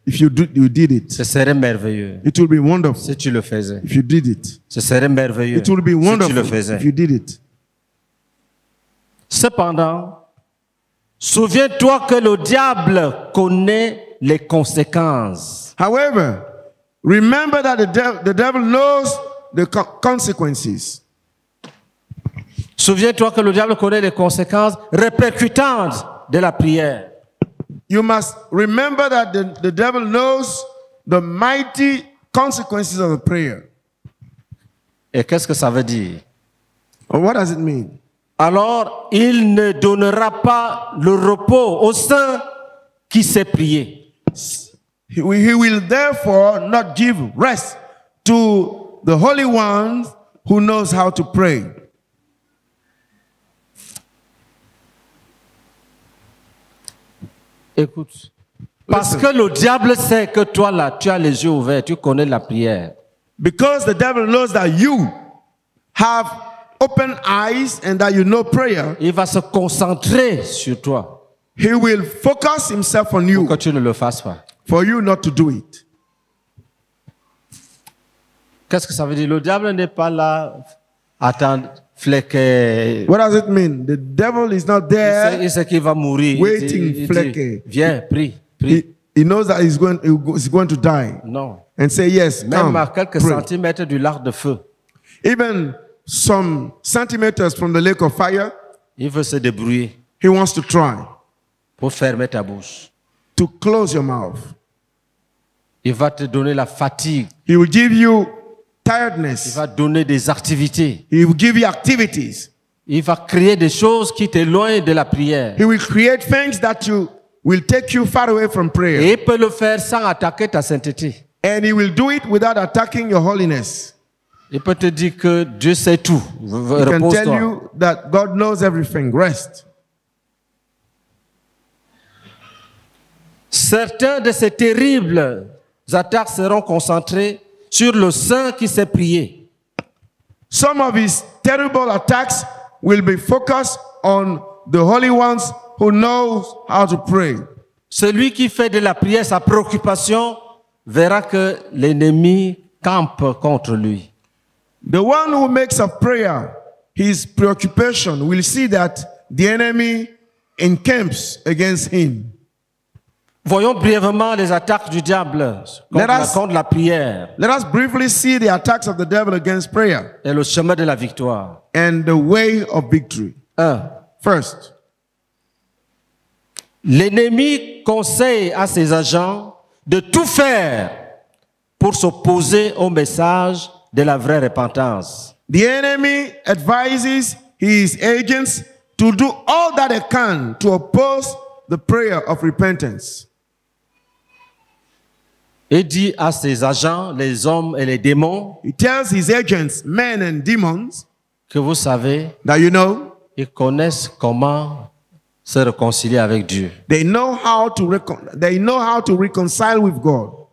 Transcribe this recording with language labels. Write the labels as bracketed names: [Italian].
[English] If you did it. [French] Ce serait merveilleux. [English] It will be wonderful. [French] Si tu le faisais. [English] If you did it. [French] Ce serait merveilleux. [English] It will be wonderful. [French] Si tu le faisais. [English] If you did it. [French] Cependant, souviens-toi que le diable connaît les conséquences. [English] However, remember that the devil knows the consequences. [French] Souviens-toi que le diable connaît les conséquences répercutantes de la prière. [English] You must remember that the devil knows the mighty consequences of the prayer. [French] Et qu'est-ce que ça veut dire? [English] What does it mean? [French] Alors, il ne donnera pas le repos au saint qui sait prier. [English] He will therefore not give rest to the Holy One who knows how to pray. [French] Écoute, parce que le diable sait que toi là, tu as les yeux ouverts, tu connais la prière. [English] Because the devil knows that you have open eyes and that you know prayer. [French] Il va se concentrer sur toi. [English] He will focus himself on you. [French] Pour que tu ne le fasses pas. [English] For you not to do it. [French] Qu'est-ce que ça veut dire? Le diable n'est pas là attendre. Fleck, [English] what does it mean? The devil is not there. [French] Il sait qu'il va mourir. [English] Waiting, Fleck. [French] Viens, prie. [English] He knows that he's going to die. No. And say yes. [French] Même [English] come, [French] à quelques [English] pray. [French] Centimètres du lac de feu. [English] Even some centimeters from the lake of fire. [French] Il veut se débrouiller. [English] He wants to try. [French] Pour fermer ta bouche. [English] To close your mouth. [French] Il va te donner la fatigue. [English] He will give you tiredness. [French] Il va donner des activités. [English] He will give you activities. [French] Il va créer des choses qui t'éloignent de la prière. [English] He will create things that you will take you far away from prayer. [French] Et il peut le faire sans attaquer ta sainteté. [English] And he will do it without attacking your holiness. [French] Il peut te dire que Dieu sait tout. [English] He can tell you that God knows everything. Rest. [French] Certains de ces terribles attaques seront concentrées sur le saint qui sait prier. [English] Some of his terrible attacks will be focused on the holy ones who knows how to pray. [French] Celui qui fait de la prière sa préoccupation verra que l'ennemi campe contre lui. [English] The one who makes of prayer his preoccupation will see that the enemy encamps against him. [French] Voyons brièvement les attaques du diable contre la prière. [English] Let us briefly see the attacks of the devil against prayer. [French] Et le chemin de la victoire. [English] And the way of victory. First. [French] L'ennemi conseille à ses agents de tout faire pour s'opposer au message de la vraie repentance. [English] The enemy advises his agents to do all that they can to oppose the prayer of repentance. [French] Et dit à ses agents, les hommes et les démons, [English] he tells his agents, men and demons, [French] que vous savez, [English] that you know, [French] ils connaissent comment se réconcilier avec Dieu. [English] They know how to reconcile with God.